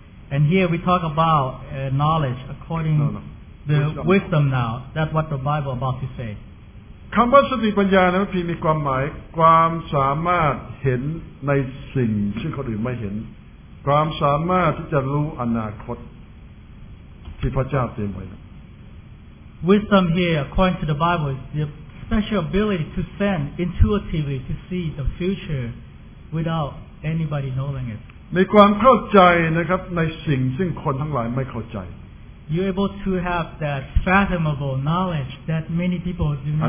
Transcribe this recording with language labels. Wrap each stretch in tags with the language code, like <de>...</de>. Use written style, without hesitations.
<en>And here we talk about knowledge according to the wisdom now, that's what the Bible is about to say.</en> <th>คำว่าสติปัญญาในพระคัมภีร์มีความหมายความสามารถเห็นในสิ่งที่คนอื่นไม่เห็น ความสามารถที่จะรู้อนาคตที่พระเจ้าเตรียมไว้</th> <en>Wisdom here according to the Bible is the special ability to sense intuitively to see the future without anybody knowing it</en> <th>มีความเข้าใจนะครับในสิ่งซึ่งคนทั้งหลายไม่เข้าใจ</th> <en>You're able to have that fathomable knowledge that many people do not</en>